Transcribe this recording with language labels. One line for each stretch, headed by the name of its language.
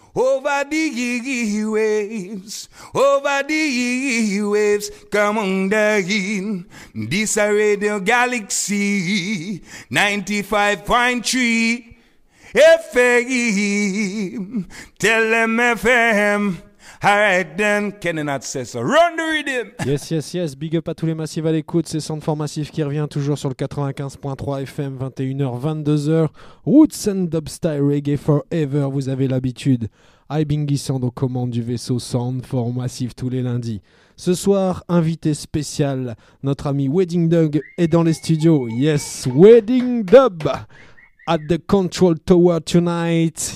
English: Over the waves, over the waves, come on down. This a Radio Galaxy 95.3 FM. Tell them FM. All right then, can I not say so? Run the rhythm. Yes, yes, yes. Big up
French: à tous les massifs à l'écoute. C'est Soundfort Massif qui revient toujours sur le 95.3 FM, 21h, 22h. Roots and Dubstyle Reggae Forever, vous avez l'habitude. Ibingi Sand aux commandes du vaisseau Soundfort Massif tous les lundis. Ce soir, invité spécial, notre ami Wedding Dub est dans les studios.
English: Yes, Wedding Dub at the Control Tower tonight.